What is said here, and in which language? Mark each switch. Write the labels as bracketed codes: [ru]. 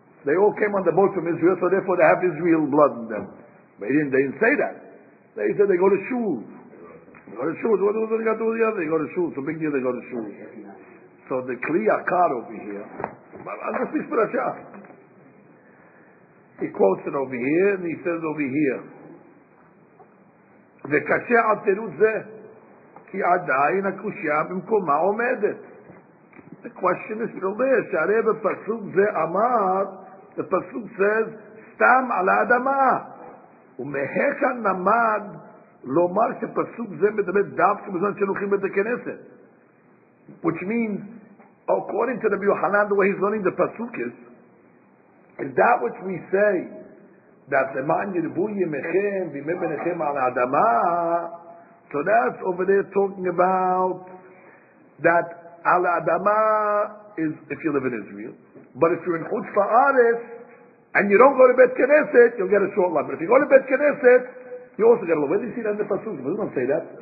[en] They all came on the boat from Israel, so therefore they have Israel blood in them. But they didn't say that. They said they go to shul. They go to shul. What do they got to do with the other? They go to shul. So big deal, they go to shul. So the Kli Yakar over here, I'll just speak for the shah. He quotes it over here, and he says over here, [he] וקשה על תירוץ זה, כי עדיין הקושיה במקומה עומדת. [en] The question is still there. [he] שהרי בפסוק זה אמר, [en] the פסוק says, [he] סתם על האדמה. ומהכן נמד לומר שפסוק זה מדבר דווקא בזמן שנוכים בית הכנסת. [en] Which means, according to the Yohanan, the way he's learning the פסוק is that which we say, that the man [he] ירבו ימיכם וימי בניכם על האדמה, [en] so that's over there talking about that על האדמה is if you live in Israel, but if you're in חוץ לארץ and you don't go to בית כנסת, you'll get a short life. But if you go to בית כנסת, you also get a little. Where do you see that in the Pasuk? We don't say that.